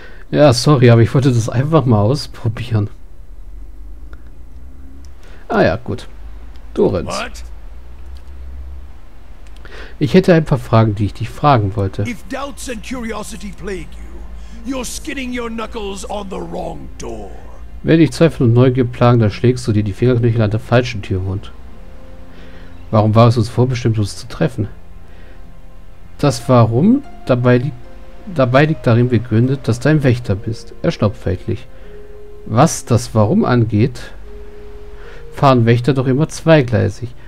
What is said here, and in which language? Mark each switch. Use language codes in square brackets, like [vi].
[de] Ja, sorry, aber ich wollte das einfach mal ausprobieren. Ah ja, gut. Durins. [en] What? [de] Ich hätte ein paar Fragen, die ich dich fragen wollte. [en] If doubts and curiosity plague you, You're skinning your knuckles on the wrong door. [de] Wenn dich Zweifel und Neugier plagen, dann schlägst du dir die Fingerknöchel an der falschen Tür wund. Warum war es uns vorbestimmt, uns zu treffen? Das Warum dabei liegt darin begründet, dass du ein Wächter bist. Er schnaubt fälschlich. Was das Warum angeht, fahren Wächter doch immer zweigleisig.